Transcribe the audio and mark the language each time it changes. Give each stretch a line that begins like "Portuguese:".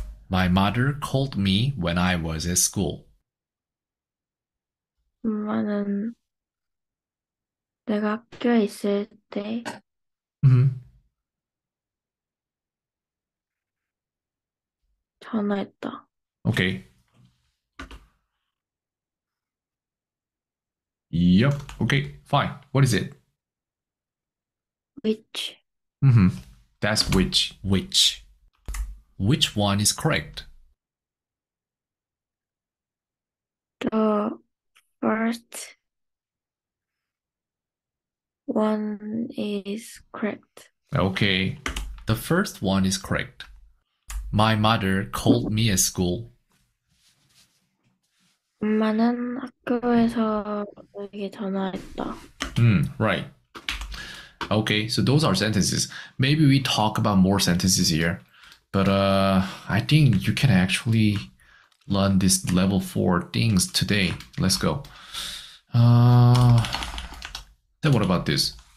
English: My mother called me when I was at school.
Korean: 엄마는 내가 학교에 있을 때 전화했다.
English: Okay. Yep, okay, fine. What is it? Which? That's which. Which one is correct? The first one is correct. Okay, the first one is correct. My mother called me at school.
Korean: 엄마는 학교에서 나에게 전화했다.
English: Right. Okay, so those are sentences. Maybe we talk about more sentences here, but I think you can actually learn this level 4 things today. Let's go. Then what about this?